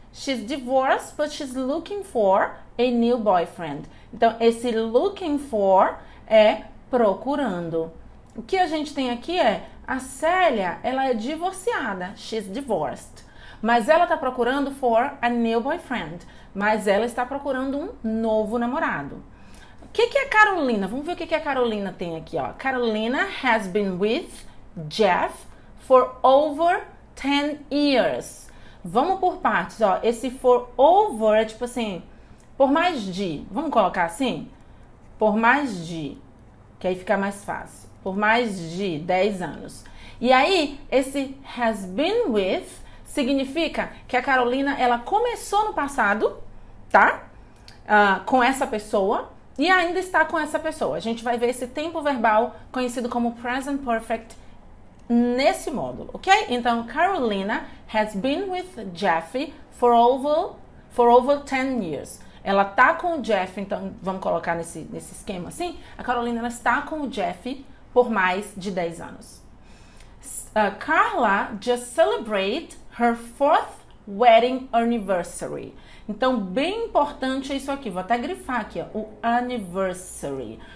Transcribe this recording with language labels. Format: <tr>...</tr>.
<en>She's divorced, but she's looking for a new boyfriend.</en> <pt>Então, esse looking for é procurando. O que a gente tem aqui é, a Célia, ela é divorciada.</pt> <en>She's divorced.</en> <pt>Mas ela está procurando</pt> <en>for a new boyfriend.</en> <pt>Mas ela está procurando um novo namorado. O que que é Carolina? Vamos ver o que que a Carolina tem aqui, ó.</pt> <en>Carolina has been with Jeff for over 10 years.</en> <pt>Vamos por partes, ó. Esse for over é tipo assim, por mais de, vamos colocar assim, por mais de, que aí fica mais fácil, por mais de 10 anos. E aí, esse has been with significa que a Carolina, ela começou no passado, tá? Com essa pessoa e ainda está com essa pessoa. A gente vai ver esse tempo verbal conhecido como present perfect nesse módulo, ok? Então,</pt> <en>Carolina has been with Jeffy for over 10 years.</en> <pt>Ela tá com o Jeff, então vamos colocar nesse esquema assim. A Carolina, ela está com o Jeff por mais de 10 anos.</pt> <en>Carla just celebrated her fourth wedding anniversary.</en> <pt>Então, bem importante é isso aqui. Vou até grifar aqui, ó, o anniversary.</pt>